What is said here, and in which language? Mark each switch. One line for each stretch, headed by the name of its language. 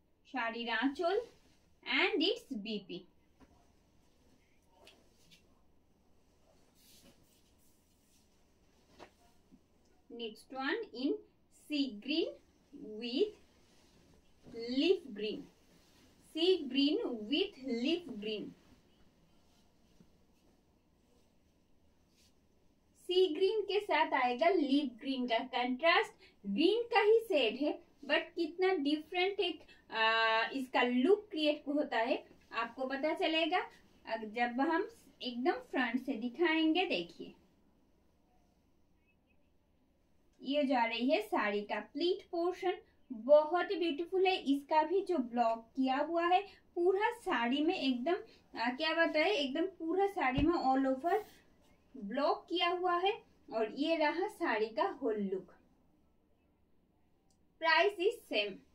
Hindi: Sari रांचोल and it's BP
English: Next one in sea green with leaf green. Sea green with leaf green.
Hindi: Sea green के साथ आएगा leaf green का contrast. Green का ही shade है but कितना different एक इसका look create होता है आपको पता चलेगा जब हम एकदम front से दिखाएंगे देखिए ये जा रही है साड़ी का प्लीट पोर्शन बहुत ही ब्यूटीफुल है इसका भी जो ब्लॉक किया हुआ है पूरा साड़ी में एकदम क्या बताए एकदम पूरा साड़ी में ऑल ओवर ब्लॉक किया हुआ है और ये रहा साड़ी का whole look
English: price is same